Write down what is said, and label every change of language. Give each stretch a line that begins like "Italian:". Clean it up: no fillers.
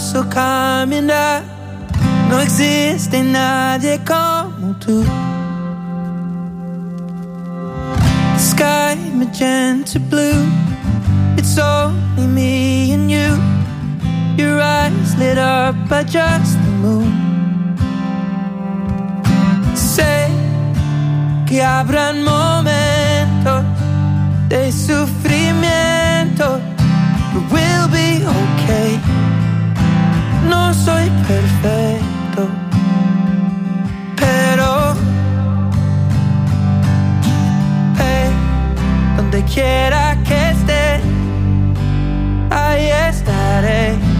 Spanish: Camina, no existe nadie como tú.
English: Sky magenta blue, it's only me and you. Your eyes lit up by just the moon.
Spanish: Sé que habrán momentos de sufrimiento,
English: but we'll be okay.
Spanish: No soy perfecto, pero hey, donde quiera que esté, ahí estaré.